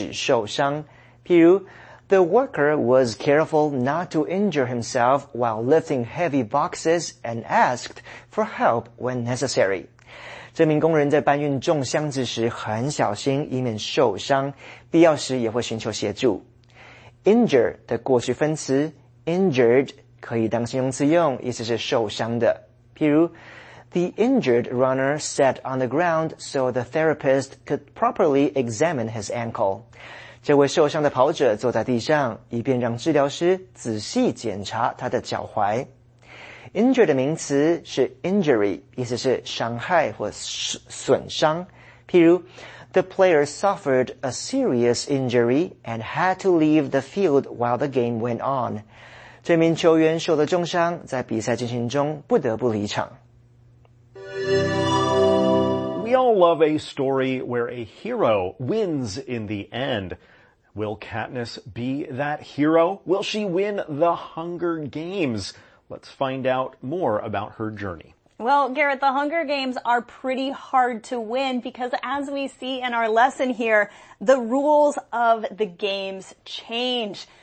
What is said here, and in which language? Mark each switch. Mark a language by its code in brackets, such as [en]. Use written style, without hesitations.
[en] The worker was careful not to injure himself while lifting heavy boxes and asked for help when necessary. [zh] 这名工人在搬运重箱子时很小心，以免受伤，必要时也会寻求协助。 Injure 的过去分词 Injured 可以当形容词用，意思是受伤的。譬如 [en] The injured runner sat on the ground so the therapist could properly examine his ankle. [zh] 这位受伤的跑者坐在地上，以便让治疗师仔细检查他的脚踝。 Injure 的名词是 injury, 意思是伤害或损伤。譬如 [en] The player suffered a serious injury and had to leave the field while the game went on. [zh] 这名球员受了重伤，在比赛进行中不得不离场。 [en] We all love a story where a hero wins in the end. Will Katniss be that hero? Will she win the Hunger Games? Let's find out more about her journey. Well, Garrett, the Hunger Games are pretty hard to win because as we see in our lesson here, the rules of the games change.